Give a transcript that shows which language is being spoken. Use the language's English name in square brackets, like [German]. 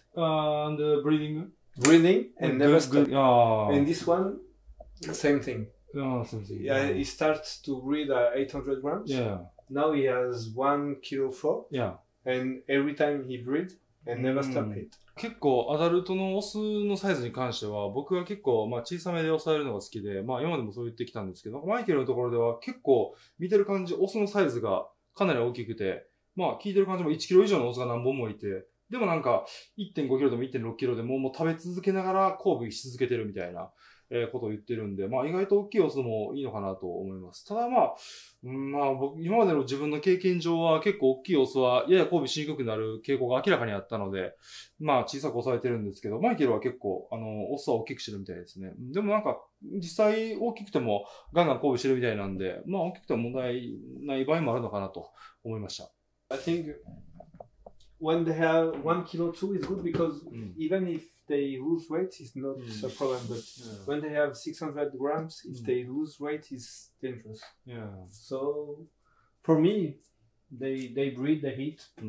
[English] And breeding? Breathing and never stop. Oh. And this one, same thing. Oh, same thing. Yeah, he starts to breed at 800 grams. Yeah. Now he has 1.4 kilo. Yeah. And every time he breeds and never stop it. [Japanese] 結構アダルトのオスのサイズに関しては僕は結構まあ小さめで抑えるのが好きで、まあ今でもそう言ってきたんですけど、マイケルのところでは結構見てる感じオスのサイズがかなり大きくて、まあ聞いてる感じも1キロ以上のオスが何本もいて、でもなんか 1.5 キロでも 1.6 キロでももう食べ続けながら交尾し続けてるみたいなことを言ってるんで、まあ意外と大きいオスもいいのかなと思います。ただまあ、まあ僕今までの自分の経験上は結構大きいオスはやや交尾しにくくなる傾向が明らかにあったので、まあ小さく抑えてるんですけど、マイケルは結構あのオスは大きくしてるみたいですね。でもなんか実際大きくてもガンガン交尾してるみたいなんで、まあ大きくても問題ない場合もあるのかなと思いました。 [English] I think... When they have 1 kilo too, it's good because even if they lose weight, it's not a problem. But when they have 600 grams, if they lose weight, it's dangerous. Yeah. So for me, they breed, they eat.